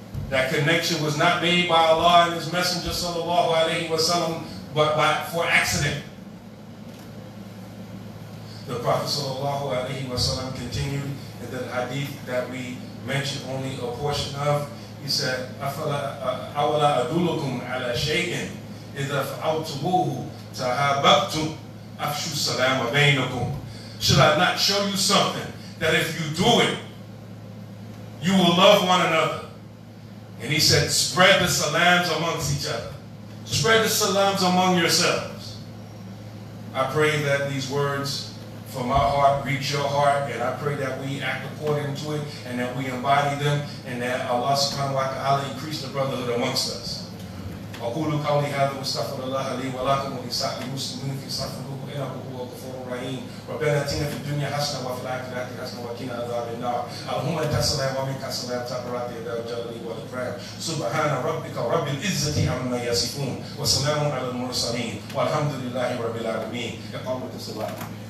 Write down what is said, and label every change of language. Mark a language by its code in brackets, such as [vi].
[en] That connection was not made by Allah and his messenger sallallahu alayhi wa sallam, but by for accident. The Prophet sallallahu alayhi wa sallam continued in the hadith that we mentioned only a portion of. He said, [ar] أَفَلَا أَدُلُكُمْ عَلَى شَيْءٍ إِذَا فَعَوْتُبُوهُ تَحَابَقْتُمْ أَفْشُوا السَّلَامَ بَيْنَكُمْ. [en] Should I not show you something that if you do it, you will love one another. And he said, spread the salams amongst each other. Spread the salams among yourselves. I pray that these words from my heart reach your heart, and I pray that we act according to it, and that we embody them, and that Allah subhanahu wa ta'ala increase the brotherhood amongst us. [ar] أقول قولي هذا واستغفر الله لي ولكم ولسائر المسلمين في صفوفه إنه هو الغفور الرحيم ربنا آتنا في الدنيا حسنة وفي الآخرة حسنة وقنا عذاب النار اللهم أنت السلام ومنك السلام تبارك يا ذا الجلال والإكرام سبحان ربك رب العزة عما يصفون وسلام على المرسلين والحمد لله رب العالمين يقول تسبحوا